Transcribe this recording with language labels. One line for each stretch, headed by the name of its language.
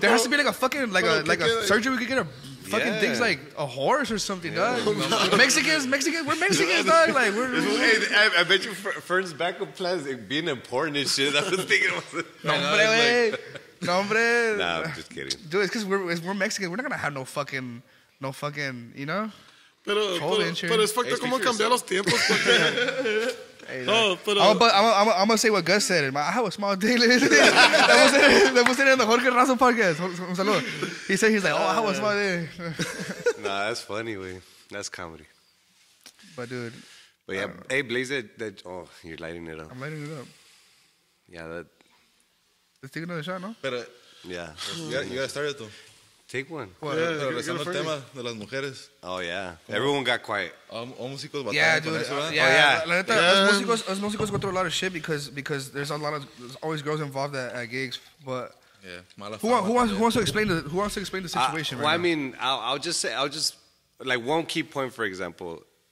English: There has to be, like, a fucking... Like a surgery we could get a... Fucking things like a horse or something, dog. No. Mexicans, we're Mexicans, dog. Like, we're I bet you Fern's backup plan is being important and shit. I was thinking about it.
Spanish: Nombre, wey. Nombre.
English: Nah, I'm just kidding. Dude, it's because we're Mexicans. We're not going to have no fucking, you know?
Spanish: Pero es
English: fucked up
Spanish: como cambiar los tiempos.
English: Hey, no, but I'm going to say what Gus said. I have a small dick.
Spanish: Le puse en el Jorge Razo podcast. Un saludo.
English: He said, he's like, oh, I have a small dick. Nah, that's funny, wey. That's comedy. But, dude. But, yeah. Hey, Blaze, that you're lighting it up. I'm lighting it up. Yeah, that. Let's take another shot, no?
Spanish: Pero,
English: yeah. You got to start it, though. Take one. What? Yeah,
Spanish: pero regresando al tema de las mujeres.
English: Oh, yeah. ¿Cómo? Everyone got quiet.
Spanish: Músicos batallan con eso, ¿verdad? Yeah.
English: Músicos go through a lot of shit because there's a lot of, there's always girls involved at gigs, but... Yeah. Who wants to explain the situation right now? Well, I mean, I'll just say, like, one key point, for example.